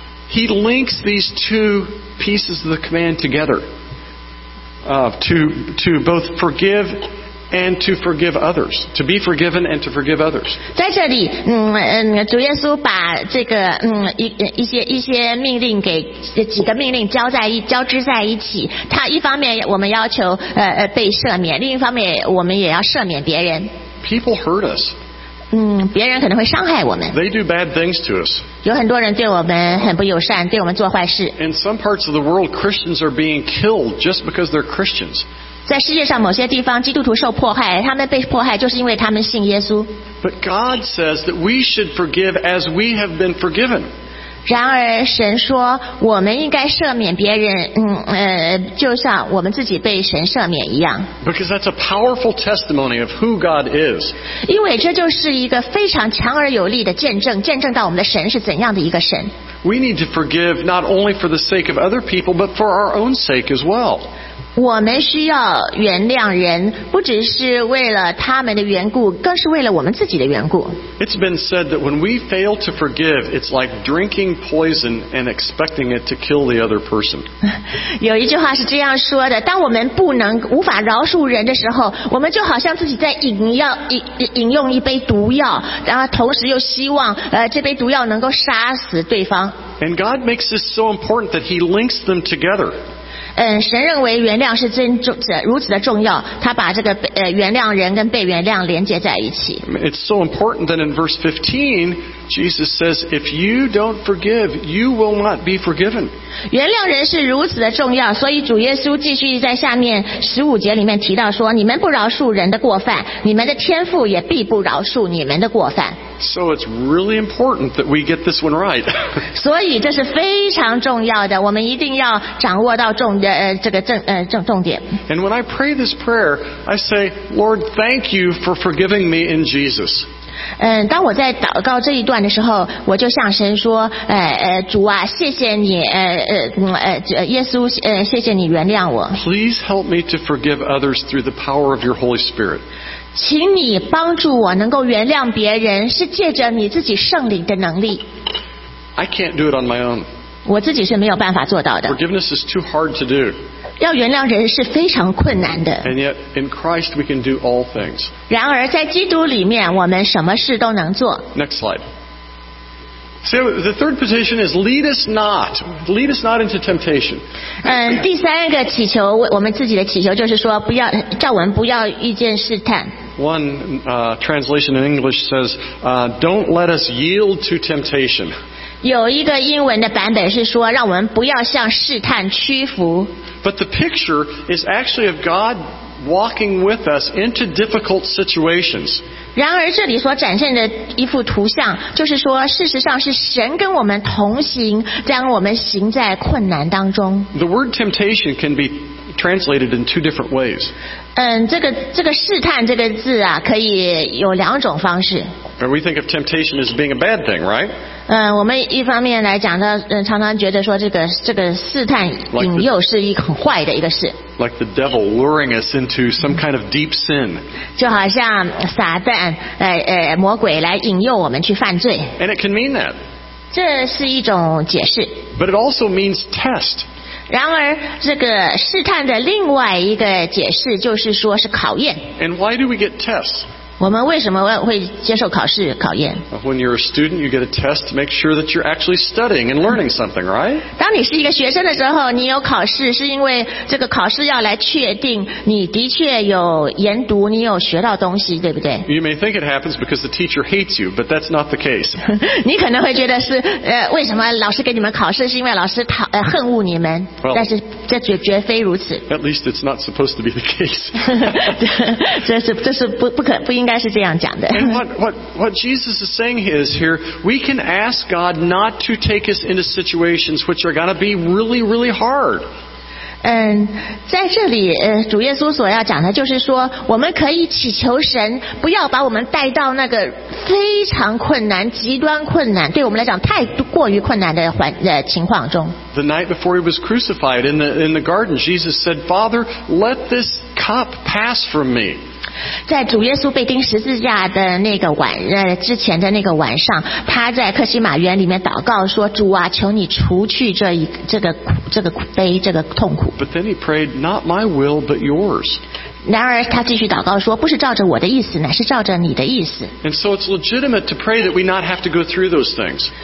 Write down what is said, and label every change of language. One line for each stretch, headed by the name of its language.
English: He links these two pieces of the command together, to both forgive. And to forgive others, to be forgiven and to forgive others.
Chinese: 在这里，主耶稣把这个一些命令给几个命令交织在一起。他一方面我们要求被赦免，另一方面我们也要赦免别人。
English: People hurt us.
Chinese: 别人可能会伤害我们。
English: They do bad things to us.
Chinese: 有很多人对我们很不友善，对我们做坏事。
English: In some parts of the world, Christians are being killed just because they're Christians.
Chinese: 在世界上某些地方基督徒受迫害他们被迫害就是因为他们信耶稣
English: But God says that we should forgive as we have been forgiven
Chinese: 然而神说我们应该赦免别人就像我们自己被神赦免一样
English: Because that's a powerful testimony of who God is
Chinese: 因为这就是一个非常强而有力的见证见证到我们的神是怎样的一个神
English: We need to forgive not only for the sake of other people but for our own sake as well
Chinese: 我们需要原谅人，不只是为了他们的缘故，更是为了我们自己的缘故。
English: It's been said that when we fail to forgive, it's like drinking poison and expecting it to kill the other person.
Chinese: 有一句话是这样说的：当我们不能无法饶恕人的时候，我们就好像自己在饮用一杯毒药，然后同时又希望这杯毒药能够杀死对方。
English: And God makes this so important that He links them together.
Chinese: 神认为原谅是如此的重要他把这个原谅人跟被原谅连接在一起
English: It's so important that in verse 15 Jesus says if you don't forgive you will not be forgiven
Chinese: 原谅人是如此的重要所以主耶稣继续在下面15节里面提到说你们不饶恕人的过犯你们的天父也必不饶恕你们的过犯
English: So it's really important that we get this one right
Chinese: 所以这是非常重要的我们一定要掌握到重要
English: And when I pray this prayer, I say, Lord, thank you for forgiving me in Jesus.
Chinese: 当我在祷告这一段的时候，我就向神说，主啊，谢谢你，耶稣，谢谢你原谅我。
English: Please help me to forgive others through the power of your Holy Spirit.
Chinese: 请你帮助我能够原谅别人，是借着你自己圣灵的能力。
English: I can't do it on my own.
Chinese: 我自己是没有办法做到的。
English: Forgiveness is too hard to do.
Chinese: 要原谅人是非常困难的。
English: And yet, in Christ, we can do all things.
Chinese: 然而，在基督里面，我们什么事都能做。
English: Next slide. So the third petition is, lead us not into temptation.
Chinese: 第三个祈求，我们自己的祈求就是说，不要叫我们不要遇见试探。
English: One translation in English says, "Don't let us yield to temptation."
Chinese: 有一个英文的版本是说，让我们不要向试探屈服。
English: But the picture is actually of God walking with us into difficult situations.
Chinese: 然而这里所展现的一幅图像，就是说，事实上是神跟我们同行，将我们行在困难当中。
English: The word temptation can be translated in two different ways.
Chinese: 这个试探这个字啊，可以有两种方式。
English: And we think of temptation as being a bad thing, right?
Chinese: 我们一方面来讲到常常觉得说这个试探引诱是一个很坏的一个事。
English: Like the devil luring us into some kind of deep sin.
Chinese: 就好像撒旦魔鬼来引诱我们去犯罪。
English: And it can mean that.
Chinese: 这是一种解释。
English: But it also means test.
Chinese: 然而这个试探的另外一个解释就是说是考验。
English: And why do we get tests?
Chinese: 我们为什么会接受考试考验？
English: When you're a student, you get a test to make sure that you're actually studying and learning something, right?
Chinese: 当你是一个学生的时候，你有考试，是因为这个考试要来确定你的确有研读，你有学到东西，对不对？
English: You may think it happens because the teacher hates you, but that's not the case.
Chinese: 你可能会觉得是为什么老师给你们考试，是因为老师恨恶你们？
English: Well,
Chinese: 但是这绝非如此。
English: At least it's not supposed to be the case.
Chinese: 这是不应该是这样讲的。
English: And what Jesus is saying is here, we can ask God not to take us into situations which are going to be really, really hard.
Chinese: 在这里主耶稣所要讲的就是说，我们可以祈求神不要把我们带到那个非常困难，极端困难，对我们来讲太过于困难的情况中。
English: The night before he was crucified in the garden, Jesus said, Father, let this cup pass from me.
Chinese: 在主耶稣被钉十字架的那个晚之前的那个晚上，他在客西马园里面祷告说，主啊，求你除去这个悲，这个痛苦。
English: But then he prayed, not my will, but yours.
Chinese: 然而他继续祷告说，不是照着我的意思，乃是照着你的意思。
English: And so it's legitimate to pray that we not have to go through those things.